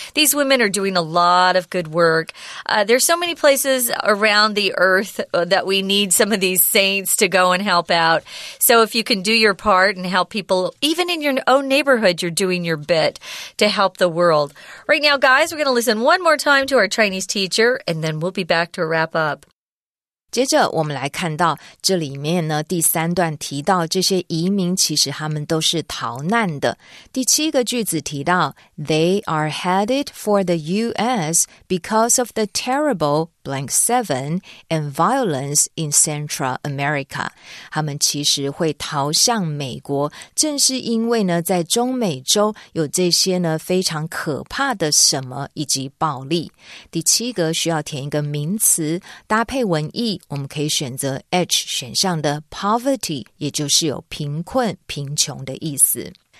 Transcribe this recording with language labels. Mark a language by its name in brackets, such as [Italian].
[English] These women are doing a lot of good work. There's so many places around the earth that we need some of these saints to go and help out. So if you can do your part and help people, even in your own neighborhood, you're doing your bit to help the world. Right now, guys, we're going to listen one more time to our Chinese teacher, and then we'll be back to wrap up. [Chinese] 接着我们来看到这里面呢，第三段提到这些移民其实他们都是逃难的。第七个句子提到 [English] They are headed for the U.S. because of the terrible blank 7 and violence in Central America. [Chinese] 他们其实会逃向美国，正是因为呢，在中美洲有这些呢非常可怕的什么以及暴力。第七个需要填一个名词，搭配文意，我们可以选择 H 选项的 poverty， 也就是有贫困、贫穷的意思。